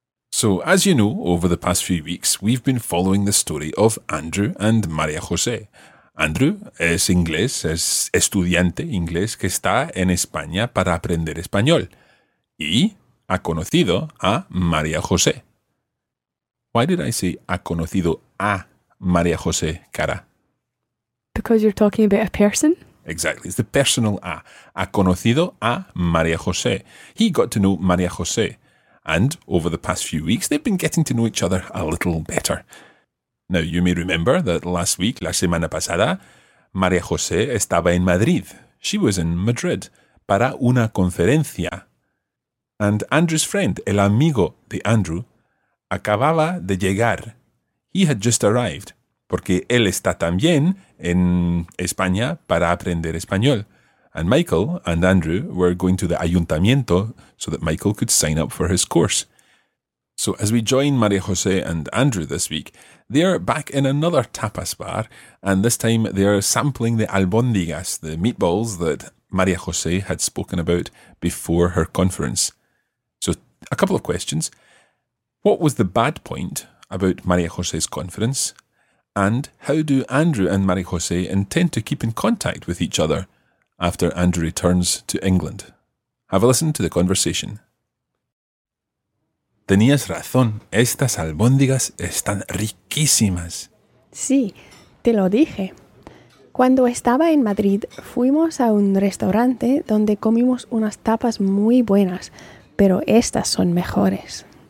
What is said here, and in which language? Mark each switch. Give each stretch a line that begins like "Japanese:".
English: So, as you know, over the past few weeks, we've been following the story of Andrew and María José.
Spanish: Andrew es inglés, es estudiante inglés que está en España para aprender español. Y ha conocido a María José.
English: Why did I say
Spanish: ha conocido a
English: María José Cara? Because you're talking about a person? Exactly. It's the personal a.
Spanish: Ha conocido a María José.
English: He got to know María José. And over the past few weeks, they've been getting to know each other a little better. Now, you may remember that last week,
Spanish: la semana pasada, María José estaba en Madrid.
English: She was in Madrid
Spanish: para una conferencia.
English: And Andrew's friend,
Spanish: el amigo de Andrew, acababa de llegar.
English: He had just arrived,
Spanish: porque él está también en España para aprender español.
English: And Michael and Andrew were going to the ayuntamiento so that Michael could sign up for his course. So as we join María José and Andrew this week, they are back in another tapas bar, and this time they are sampling the albóndigas, the meatballs that María José had spoken about before her conference. So a couple of questions. What was the bad point about María José's conference? And how do Andrew and María José intend to keep in contact with each other after Andrew returns to England? Have a listen to the conversation.
Spanish: Tenías razón. Estas albóndigas están riquísimas. Sí, te lo dije. Cuando estaba en Madrid, fuimos a un restaurante donde comimos unas tapas muy buenas, pero estas son mejores.